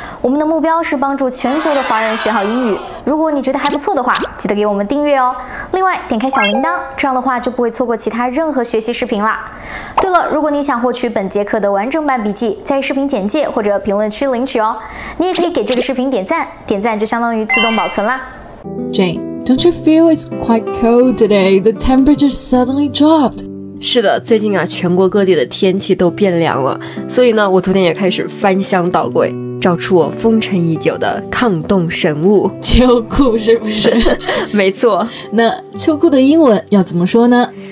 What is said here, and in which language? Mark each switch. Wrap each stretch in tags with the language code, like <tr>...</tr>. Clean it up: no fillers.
<zh>我们的目标是帮助全球的华人学好英语。如果你觉得还不错的话，记得给我们订阅哦。另外，点开小铃铛，这样的话就不会错过其他任何学习视频啦。对了，如果你想获取本节课的完整版笔记，在视频简介或者评论区领取哦。你也可以给这个视频点赞，点赞就相当于自动保存啦。</zh> <en>Jane, don't you feel it's quite cold today? The temperature suddenly dropped.</en> <zh>是的，最近啊，全国各地的天气都变凉了，所以呢，我昨天也开始翻箱倒柜，找出我风尘已久的抗冻神物 ——秋裤，是不是？没错。那秋裤的英文要怎么说呢？</zh>